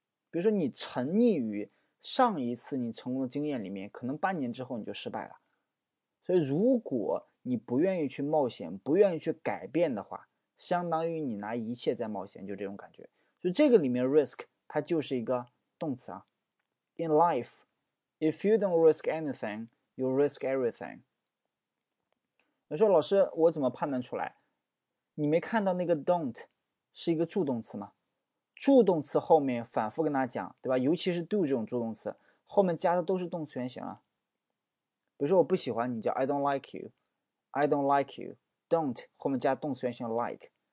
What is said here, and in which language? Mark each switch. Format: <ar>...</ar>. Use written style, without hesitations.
<zh>比如说你沉溺于上一次你成功的经验里面，可能半年之后你就失败了。所以如果你不愿意去冒险，不愿意去改变的话，相当于你拿一切在冒险，就这种感觉。所以这个里面 risk 它就是一个动词啊。</zh> <en>In life, if you don't risk anything, you risk everything。</en> <zh>你说老师我怎么判断出来，你没看到那个 don't 是一个助动词吗？助动词后面反复跟大家讲，对吧，尤其是 do 这种助动词后面加的都是动词原形啊。比如说我不喜欢你叫</zh> <en>I don't like you，</en> <zh>I don't like you， don't 后面加动词原形 like。</zh>